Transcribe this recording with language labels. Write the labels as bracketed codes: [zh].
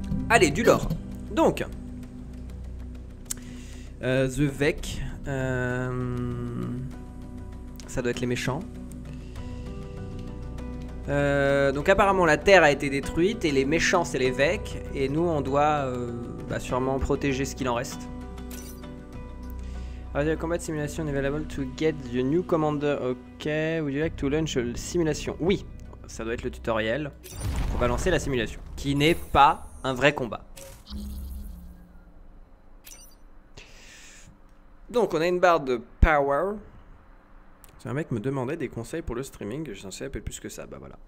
[fr] Allez, du lore. Donc, The Vec, ça doit être les méchants. Donc apparemment la Terre a été détruite et les méchants c'est les Vec et nous on doit sûrement protéger ce qu'il en reste. [en] Radio Combat Simulation available to get the new commander. Ok, would you like to launch a simulation? [fr] Oui, ça doit être le tutoriel pour balancer la simulation. Qui n'est pas un vrai combat. Donc on a une barre de power. C'est un mec qui me demandait des conseils pour le streaming, je ne sais pas plus que ça, bah voilà.